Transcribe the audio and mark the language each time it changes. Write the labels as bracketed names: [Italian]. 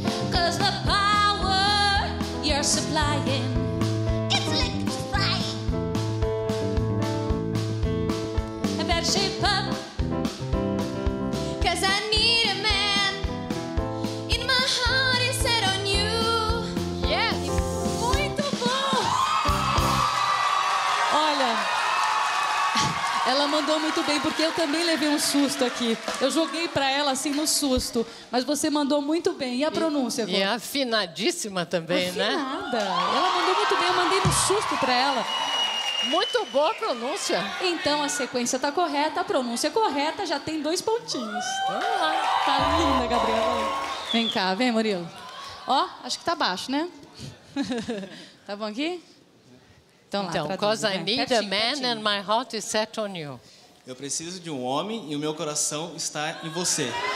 [English] Cause the power you're supplying, it's electrifying. I better shape up, cause I need a man in my heart is set on you. Yes! [Portuguese] Muito bom! Olha, ela mandou muito bem, porque eu também levei um susto aqui. Eu joguei pra ela, assim, no susto. Mas você mandou muito bem. E a pronúncia? E afinadíssima também, afinada, né? Afinada. Ela mandou muito bem, eu mandei um susto pra ela. Muito boa a pronúncia. Então, a sequência tá correta, a pronúncia correta, já tem dois pontinhos. Tá linda, Gabriela. Vem cá, vem, Murilo. Ó, acho que tá baixo, né? Tá bom aqui? [English] Então, because I need a man and my heart is set on you. [Portuguese] Eu preciso de um homem e o meu coração está em você.